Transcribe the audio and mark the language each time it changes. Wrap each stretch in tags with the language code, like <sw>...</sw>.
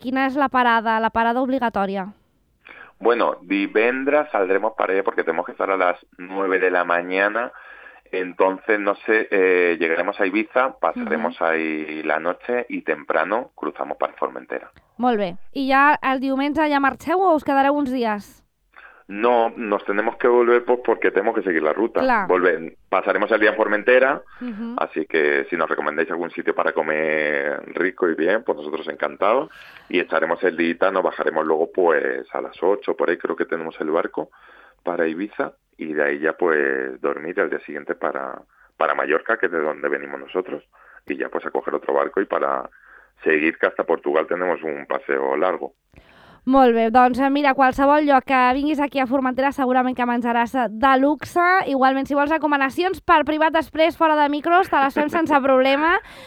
<ca>Quina és la parada obligatòria?</ca> <es>Bueno, divendres saldremos para allá porque tenemos que estar a las 9 de la mañana. Entonces, no sé, llegaremos a Ibiza, pasaremos ahí la noche y temprano cruzamos para Formentera.</es> <ca>Molt bé. I ja el diumenge ja marxeu o us quedareu uns dies?</ca> <es>No, nos tenemos que volver pues porque tenemos que seguir la ruta. Claro. Volver. Pasaremos el día en Formentera, uh-huh. Así que si nos recomendáis algún sitio para comer rico y bien, pues nosotros encantados. Y echaremos el día, nos bajaremos luego pues a las 8, por ahí creo que tenemos el barco para Ibiza. Y de ahí ya pues dormir al día siguiente para Mallorca, que es de donde venimos nosotros. Y ya pues a coger otro barco y para seguir que hasta Portugal tenemos un paseo largo.</es> <ca>Molt bé, doncs mira, qualsevol lloc que vinguis aquí a Formentera segurament que menjaràs de luxe. Igualment, si vols recomanacions per privat després, fora de micros, te les fem sense problema.</ca>